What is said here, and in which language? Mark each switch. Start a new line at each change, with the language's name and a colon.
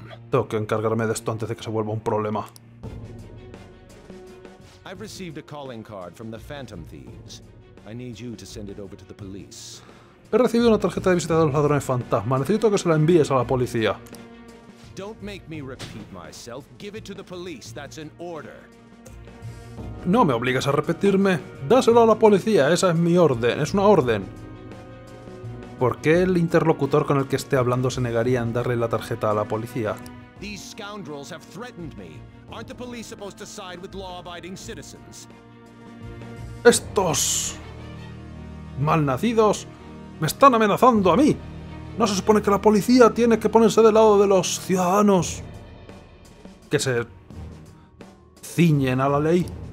Spanish: Tengo que encargarme de esto antes de que se vuelva un problema. He recibido un
English: calling card from the Phantom Thieves. I need you to send it over to the police.
Spanish: He recibido una tarjeta de visita de los ladrones fantasma. Necesito que se la envíes a la policía.
English: Don't make me repeat myself. Give it to the police. That's an order.
Spanish: No me obligues a repetirme. Dáselo a la policía. Esa es mi orden. Es una orden. ¿Por qué el interlocutor con el que esté hablando se negaría en darle la tarjeta a la policía?
English: These scoundrels have threatened me. Aren't the police supposed to side with law-abiding citizens?
Spanish: Estos malnacidos me están amenazando a mí. ¿No se supone que la policía tiene que ponerse del lado de los ciudadanos que se ciñen a la ley?